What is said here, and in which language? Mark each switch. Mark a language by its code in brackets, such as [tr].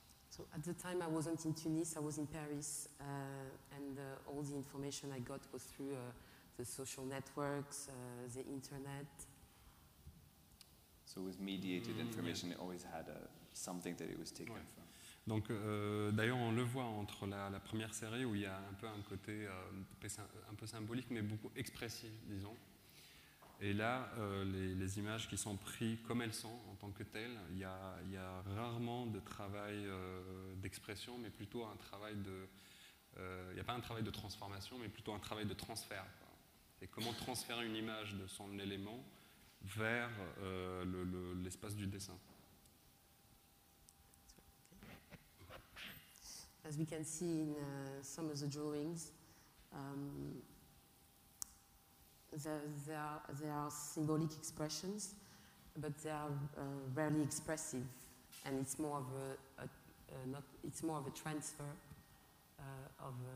[en] So at the time I wasn't in Tunis, I was in Paris, and all the information I got was through the social networks, the Internet. So with mediated information, it always had something that it was taken from. [fr] Donc, d'ailleurs, on le voit entre la première série où il y a un peu un côté un peu symbolique, mais beaucoup expressif, disons. Et là, les images qui sont prises comme elles sont, en tant que telles, il y a rarement de travail d'expression, mais plutôt un travail de. Il n'y a pas un travail de transformation, mais plutôt un travail de transfert. Quoi. Et comment transférer une image de son élément vers l'espace du dessin. [en] As we can see in some of the drawings, They are symbolic expressions, but they are rarely expressive, and it's more of a transfer of.